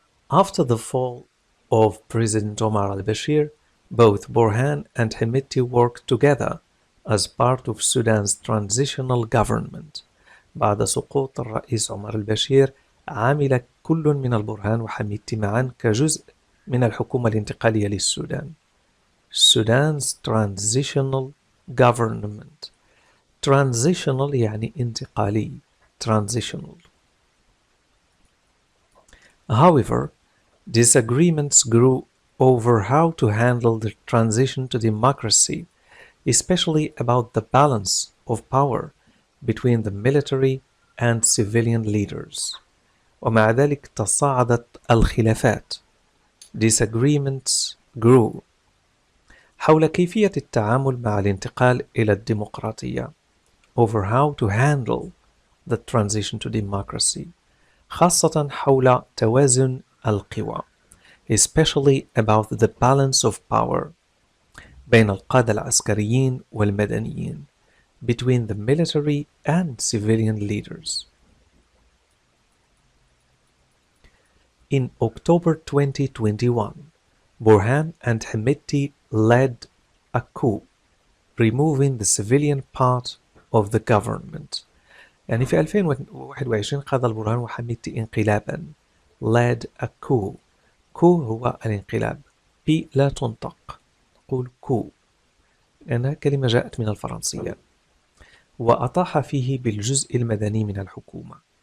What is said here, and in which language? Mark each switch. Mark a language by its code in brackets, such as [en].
[en] After the fall of President Omar al-Bashir, both Burhan and Hemeti worked together as part of Sudan's transitional government. [ar] بعد سقوط الرئيس عمر البشير عمل كل من البرهان وحميدتي معا كجزء من الحكومة الانتقالية للسودان. [en] Sudan's transitional government. [ar] Transitional يعني انتقالي. [en] Transitional. However, disagreements grew over how to handle the transition to democracy. especially about the balance of power between the military and civilian leaders. [ar] ومع ذلك تصاعدت الخلافات. [en] Disagreements grew [ar] حول كيفية التعامل مع الانتقال إلى الديمقراطية. [en] Over how to handle the transition to democracy. [ar] خاصة حول توازن القوى. [en] Especially about the balance of power [ar] بين القادة العسكريين والمدنيين. [en] Between the military and civilian leaders. In October 2021, Burhan and Hemeti led a coup, removing the civilian part of the government. [ar] يعني في 2021 قاد البرهان وحميدتي انقلابا. [en] Led a coup. [ar] Coup هو الانقلاب. P لا تنطق. قول coup. إنها كلمة جاءت من الفرنسية. وأطاح فيه بالجزء المدني من الحكومة.